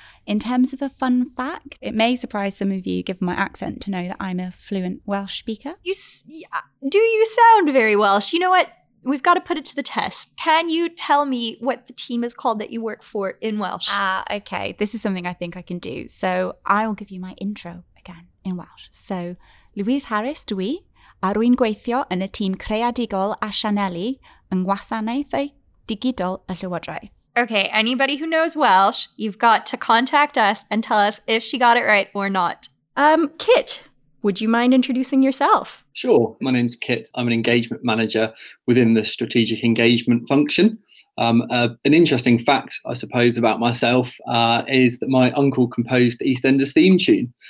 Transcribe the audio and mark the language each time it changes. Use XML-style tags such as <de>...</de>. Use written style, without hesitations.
<en>In terms of a fun fact, it may surprise some of you, given my accent, to know that I'm a fluent Welsh speaker. Do you sound very Welsh? You know what? We've got to put it to the test. Can you tell me what the team is called that you work for in Welsh? Okay. This is something I think I can do. So I will give you my intro again in Welsh.</en> <cy>So Louise Harris, dwi, arwyn gweithio yn y tîm creadigol a Sianeli yng ngwasanaethau digidol y Llywodraeth.</cy> <en>Okay, anybody who knows Welsh, you've got to contact us and tell us if she got it right or not. Kit, would you mind introducing yourself? Sure. My name's Kit. I'm an engagement manager within the strategic engagement function. An interesting fact, I suppose, about myself is that my uncle composed the EastEnders theme tune.</en>